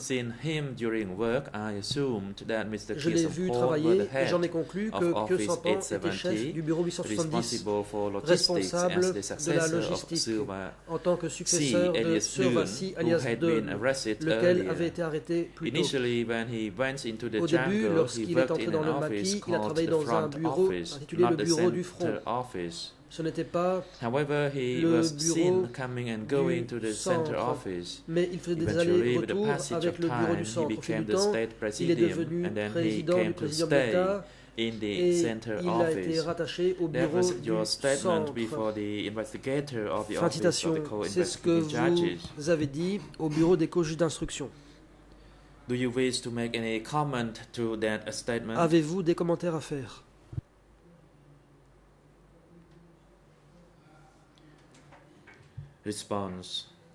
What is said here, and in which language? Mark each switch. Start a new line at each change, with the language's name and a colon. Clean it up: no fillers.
English: Seen him during work, I assumed that Mr.
French: Je l'ai vu travailler
English: the head
French: et j'en ai conclu que Kyu Sampong était chef du bureau 870, responsable de la logistique en tant que successeur de Su Vassy, alias Deune, lequel avait été arrêté plus tôt. Au début, lorsqu'il est entré dans le maquis, il a travaillé dans un bureau intitulé le bureau du front. Ce n'était pas le bureau du centre, mais il faisait des allers-retours avec le bureau du centre. Au fil du temps, il est devenu président du président d'État.
English: In the
French: et
English: center
French: il
English: office.
French: A été rattaché au bureau du centre.
English: The investigator of the
French: fin de citation, c'est ce que vous avez dit au bureau des juges d'instruction.
English: Do you wish to make any comment to that statement?
French: Avez-vous des commentaires à faire?
English: Response.